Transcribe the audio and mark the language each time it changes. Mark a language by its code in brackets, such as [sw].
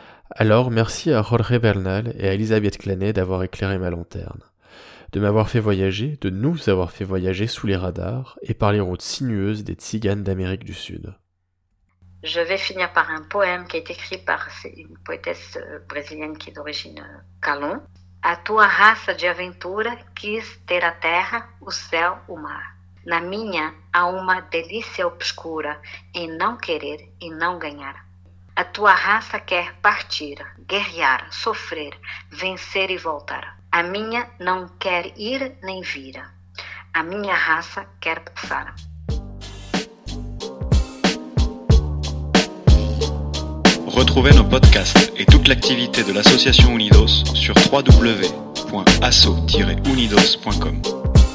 [fr] Alors, merci à Jorge Bernal et à Elisabeth Clanet d'avoir éclairé ma lanterne. De m'avoir fait voyager, de nous avoir fait voyager sous les radars et par les routes sinueuses des tziganes d'Amérique du Sud. Je vais finir par un poème qui est écrit par une poétesse brésilienne qui est d'origine Calon. [pt] A tua raça de aventura quis ter a terra, o céu, o mar. Na minha há uma delícia obscura em não querer e não ganhar. A tua raça quer partir, guerrear, sofrer, vencer e voltar. A minha não quer ir nem vir. A minha raça quer passar. [fr] Retrouvez nos podcasts et toute l'activité de l'association Unidos sur www.asso-unidos.com.